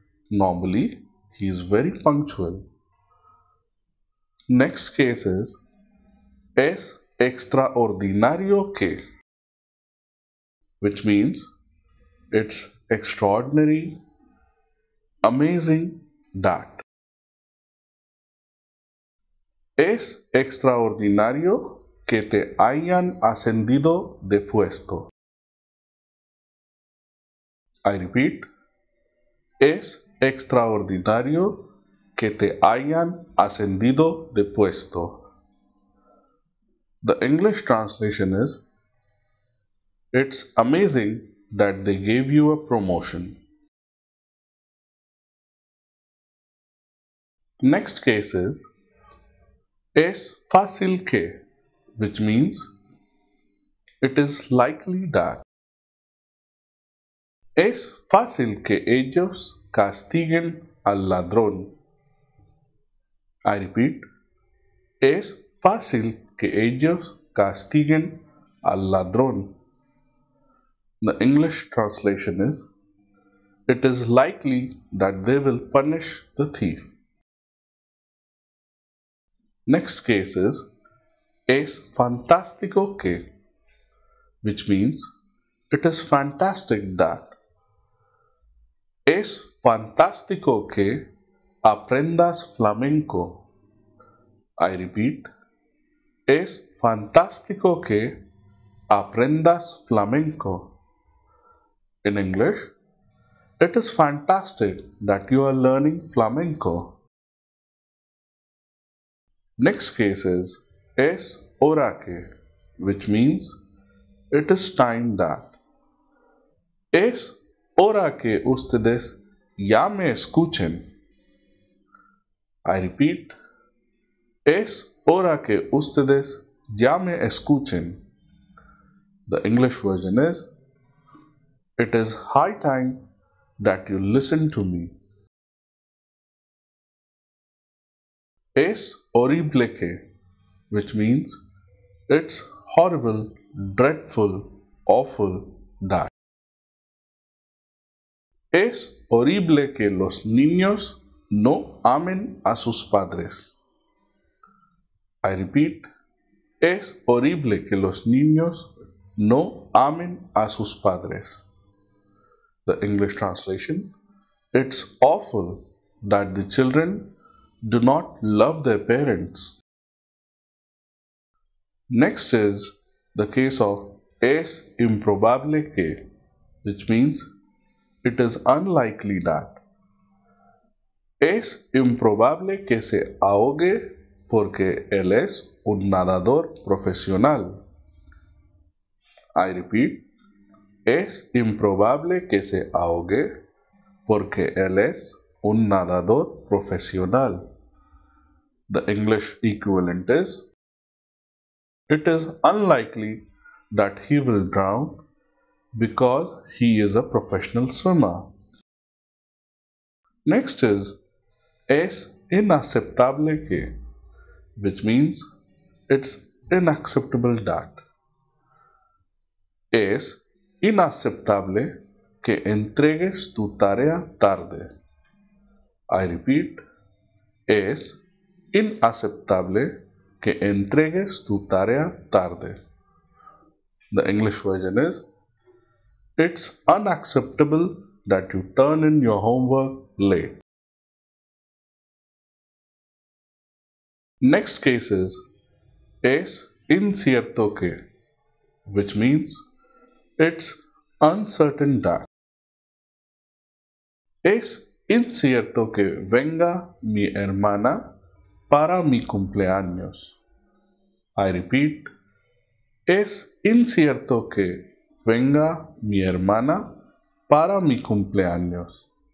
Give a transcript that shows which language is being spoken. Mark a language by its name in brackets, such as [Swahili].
[English] Normally, he is very punctual. Next case is, [Spanish] es extraordinario que, [English] which means, it's extraordinary, amazing that. [Spanish] Es extraordinario que te hayan ascendido de puesto. [English] I repeat, [Spanish] es extraordinario que te hayan ascendido de puesto. [English] The English translation is, it's amazing that they gave you a promotion. Next case is, [Spanish] es fácil que, [English] which means, it is likely that. [Spanish] Es fácil que ellos castiguen al ladrón. [English] I repeat, [Spanish] es fácil que ellos castiguen al ladrón. [English] The English translation is, it is likely that they will punish the thief. Next case is, [Spanish] es fantástico que, [English] which means, it is fantastic that. [Spanish] Es fantástico que aprendas flamenco. [English] I repeat, [Spanish] es fantástico que aprendas flamenco. [English] in English. It is fantastic that you are learning flamenco. Next case is, [Spanish] es hora que, [English] which means, it is time that. [Spanish] Es hora que ustedes ya me escuchen. [English] I repeat, [Spanish] es hora que ustedes ya me escuchen. [English] The English version is, it is high time that you listen to me. [Spanish] Es horrible que, [English] which means, it's horrible, dreadful, awful, that. [Spanish] Es horrible que los niños no amen a sus padres. [English] I repeat, [Spanish] es horrible que los niños no amen a sus padres. [English] The English translation, it's awful that the children do not love their parents. Next is the case of [Spanish] es improbable que, [English] which means it is unlikely that. [Spanish] Es improbable que se ahogue porque él es un nadador profesional. [English] I repeat, [Spanish] es improbable que se ahogue porque él es un nadador profesional. [English] The English equivalent is, it is unlikely that he will drown because he is a professional swimmer. Next is, [Spanish] es inaceptable que, [English] which means, it's unacceptable that. [Spanish] Es inaceptable que entregues tu tarea tarde. [English] I repeat, [Spanish] es inaceptable que entregues tu tarea tarde. [English] The English version is, it's unacceptable that you turn in your homework late. Next case is, [Spanish] es incierto que, [English] which means, it's uncertain that. [Spanish] Es incierto que venga mi hermana para mi cumpleaños. [English] I repeat, [Spanish] es incierto que venga mi hermana para mi cumpleaños.